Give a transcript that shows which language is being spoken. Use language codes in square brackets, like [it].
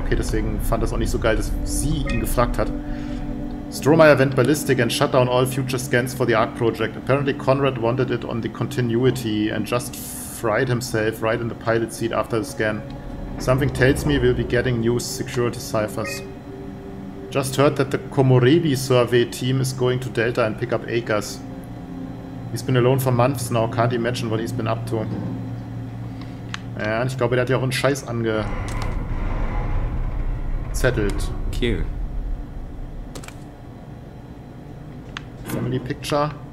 [de] Okay, deswegen fand das auch nicht so geil, dass sie ihn gefragt hat. [en] Strohmeyer went ballistic and shut down all future scans for the ARC project. Apparently Conrad wanted it on the continuity and just fried himself right in the pilot seat after the scan. Something tells me we'll be getting new security ciphers. Just heard that the Komorebi survey team is going to Delta and pick up Akers. He's been alone for months now, can't imagine what he's been up to. [de] Ja, und ich glaube, der hat ja auch einen Scheiß angezettelt. [en] Cute. Family picture.